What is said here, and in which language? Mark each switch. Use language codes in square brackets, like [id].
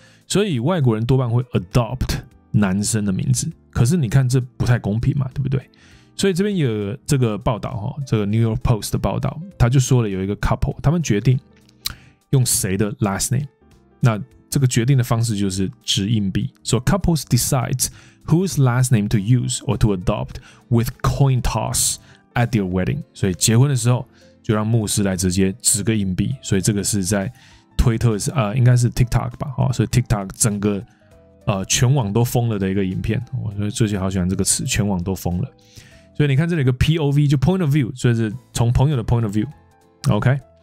[zh] 所以外国人多半会 adopt 男生的名字，可是你看这不太公平嘛，对不对？所以这边有这个报道，这个 New York Post 的报道，他就说了有一个 couple， 他们决定用谁的 last name。那这个决定的方式就是掷硬币。 [en] So couples decide whose last name to use or to adopt with coin toss at their wedding。 [zh] 所以结婚的时候就让牧师来直接掷个硬币。所以这个是在推特，应该是 TikTok 吧，所以 TikTok 整个全网都疯了的一个影片。我最近好喜欢这个词，全网都疯了。所以你看这里有个 POV， 就 point of view， 就是从朋友的 point of view， OK。